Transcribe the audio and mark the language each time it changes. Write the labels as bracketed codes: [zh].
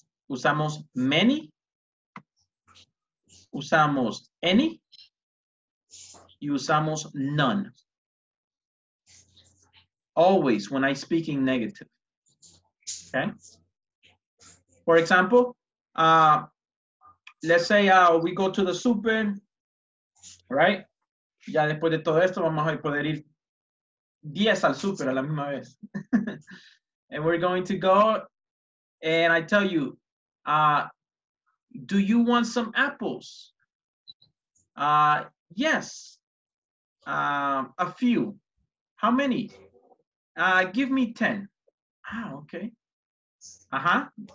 [es] Usamos many, usamos any, y usamos none. [en] Always when I speak in negative. Okay? For example, let's say we go to the super, right? [es] Ya después de todo esto, vamos a poder ir 10 al super a la misma vez. [en] And we're going to go, and I tell you, do you want some apples? Yes, a few. How many? Give me 10. Ah, okay. Uh-huh.